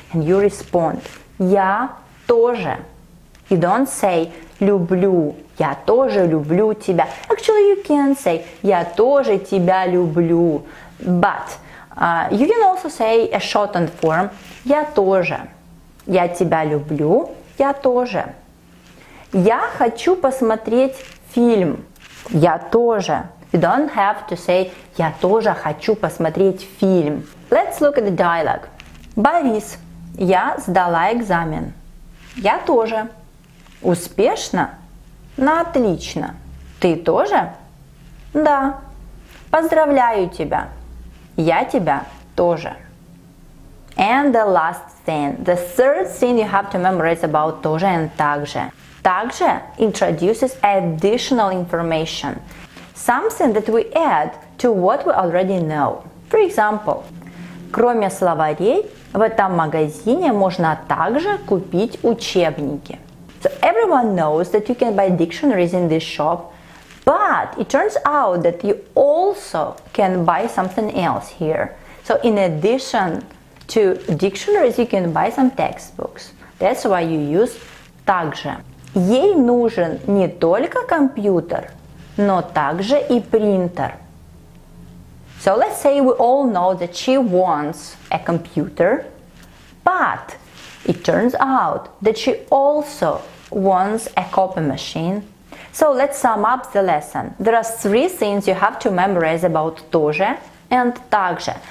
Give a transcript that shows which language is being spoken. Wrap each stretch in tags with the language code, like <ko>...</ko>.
<en>And you respond,</en> <ru>я тоже.</ru> <en>You don't say</en> <ru>люблю, я тоже люблю тебя.</ru> <en>Actually, you can say</en> <ru>я тоже тебя люблю.</ru> <en>But you can also say a shortened form,</en> <ru>я тоже. Я тебя люблю, я тоже. Я хочу посмотреть фильм, я тоже.</ru> <en>You don't have to say,</en> <ru>я тоже хочу посмотреть фильм.</ru> <en>Let's look at the dialogue.</en> <ru>Борис, я сдала экзамен. Я тоже. Успешно? На отлично. Ты тоже? Да. Поздравляю тебя. Я тебя тоже.</ru> <en>And the last thing, the third thing you have to memorize about тоже and также. Также introduces additional information. Something that we add to what we already know. For example,</en> <ru>кроме словарей, в этом магазине можно также купить учебники.</ru> <en>So everyone knows that you can buy dictionaries in this shop. But it turns out that you also can buy something else here. So in addition to dictionaries, you can buy some textbooks. That's why you use также.</en> <ru>Ей нужен не только компьютер, но также и принтер.</ru> <en>So let's say we all know that she wants a computer, but it turns out that she also wants a copy machine. So let's sum up the lesson. There are three things you have to memorize about тоже and также.</en>